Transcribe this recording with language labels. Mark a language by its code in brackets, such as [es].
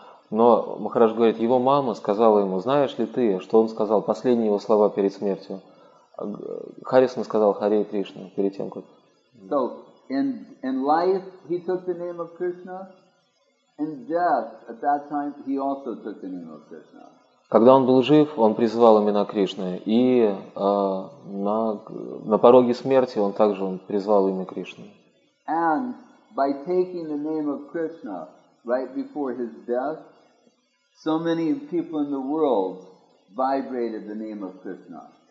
[ru] Но Махарадж говорит, его мама сказала ему, знаешь ли ты, что он сказал, последние его слова перед смертью. Харрисон сказал Харе Кришна перед тем, как... [en] So, in life he took the name of Krishna, in death, at that time, he also took the name of Krishna. [ru] Когда он был жив, он призывал имена Кришны, и на пороге смерти он также призвал имя Кришны. [en] And by taking the name of Krishna right before his death, so many people in the world vibrated the name of Krishna.